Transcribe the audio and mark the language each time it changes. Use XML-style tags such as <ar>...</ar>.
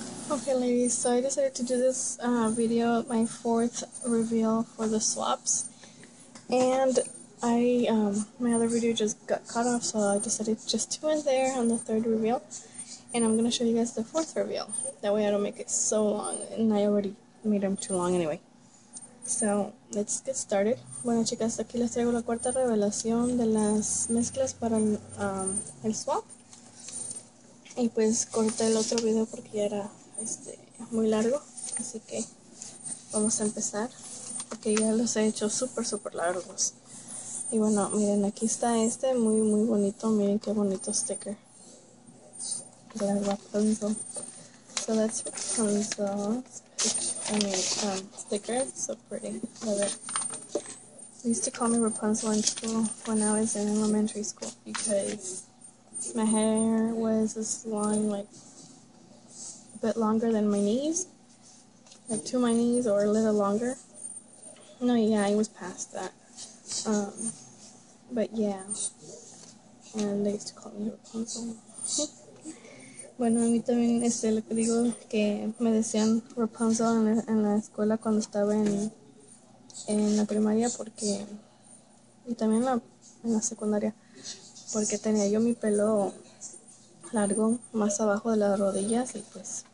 <en>Okay, ladies, so I decided to do this video, my fourth reveal for the swaps, and I, my other video just got cut off, so I decided just to end there on the third reveal, and I'm gonna show you guys the fourth reveal, that way I don't make it so long, and I already made them too long anyway. So, let's get started.</en> <es>Bueno, chicas, aquí les traigo la cuarta revelación de las mezclas para el swap, y pues corté el otro video porque ya era... muy largo, así que vamos a empezar porque ya los he hecho súper súper largos. Y bueno, miren, aquí está este muy muy bonito. Miren qué bonito sticker de Rapunzel.</es> <en>So that's Rapunzel's picture. I mean, sticker. So pretty. Love it. Used to call me Rapunzel in school when I was in elementary school because my hair was this long, like bit longer than my knees, like to my knees or a little longer. No, yeah, I was past that. But yeah, and they used to call me Rapunzel.</en> <es>Bueno, a mí también lo que digo que me decían Rapunzel en la escuela cuando estaba en la primaria porque y también en la secundaria porque tenía yo mi pelo largo más abajo de las rodillas y pues.</es>